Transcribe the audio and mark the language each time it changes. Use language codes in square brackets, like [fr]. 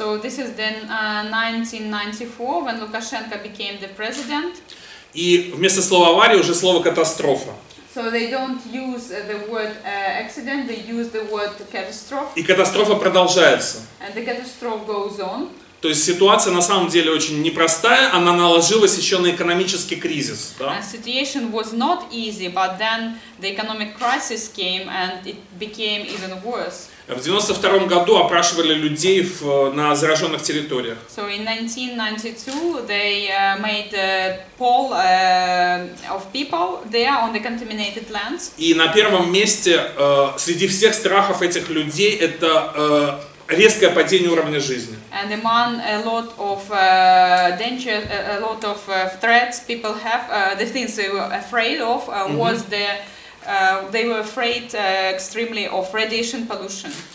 [en] So this is then 1994 when Lukashenko became the president. [ru] И вместо слова авария уже слово катастрофа. [en] So they don't use the word accident, they use the word catastrophe. [ru] И катастрофа продолжается. [en] And the catastrophe goes on. [ru] То есть ситуация на самом деле очень непростая, она наложилась еще на экономический кризис. Да? [en] And situation was not easy, but then the economic crisis came and it became even worse. [ru] В 92 году опрашивали людей на зараженных территориях. [en] So in 1992 they made a poll of people there on the contaminated lands. [ru] И на первом месте среди всех страхов этих людей это резкое падение уровня жизни. [en] And among a lot of danger, a lot of threats people have, the things they were afraid of was the they were afraid extremely of radiation pollution.